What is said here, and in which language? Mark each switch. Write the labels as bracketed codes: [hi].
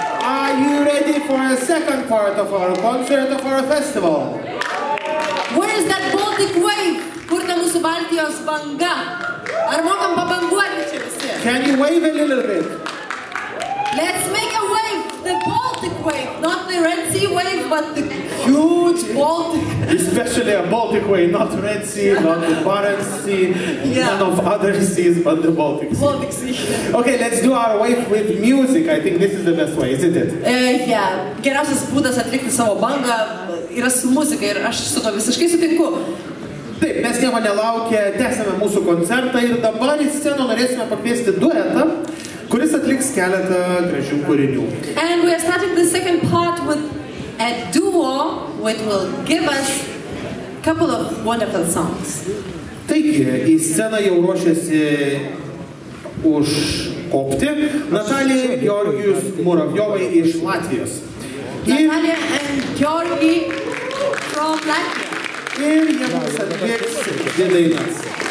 [en] Are you ready for a second part of our concert or for a festival? Where is that Baltic wave? [lt] Kur ta mūsų Baltijos banga? Ar mokam pabanguoti čia visi? [en] Can you wave a little bit? Let's make a wave, the Baltic wave, not the Red Sea wave, but the huge Baltic. Especially a Baltic wave, not Red Sea, not the Barents Sea, yeah. None of other seas, but the Baltic Sea. Baltic Sea. Okay, let's do our wave with music. I think this is the best way, isn't it? Yeah. [lt] Geriausias būdas atlikti savo bangą yra su muzika ir aš su to visiškai sutinku. Taip, mes nieko nelaukė, tęsėme mūsų koncertą ir dabar į sceną norėsime pakviesti duetą, kuris atliks keletą gražių kūrinių. [en] And we are starting the second part with a duo which will give us a couple of wonderful songs. [lt] Taigi, į sceną jau ruošiasi užkopti Natalija ir Georgijus Muravjovai iš Latvijos. [en] Natalija and Georgi from Latvia. [lt] Ir jie mums atliks dvi dainas.